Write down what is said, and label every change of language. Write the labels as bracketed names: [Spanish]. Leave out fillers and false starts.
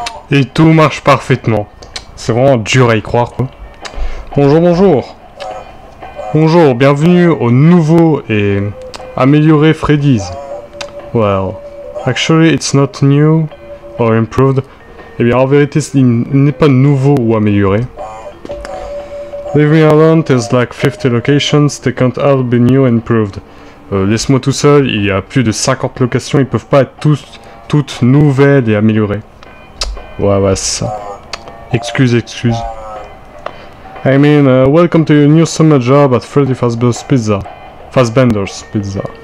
[French] Et tout marche parfaitement. C'est vraiment dur à y croire, quoi. Bonjour, bonjour. Bonjour, bienvenue au nouveau et amélioré Freddy's. [English] Well, actually, it's not new or improved. [French] Eh bien, en vérité, il n'est pas nouveau ou amélioré. [English] Leave me alone, there's like 50 locations, they can't all be new and improved. [French] Laisse-moi tout seul, il y a plus de 50 locations, ils peuvent pas être toutes nouvelles et améliorées. Ouais, c'est ça. Excuse, excuse. [English] I mean, welcome to your new summer job at Freddy Fazbear's Pizza. Fazbender's Pizza.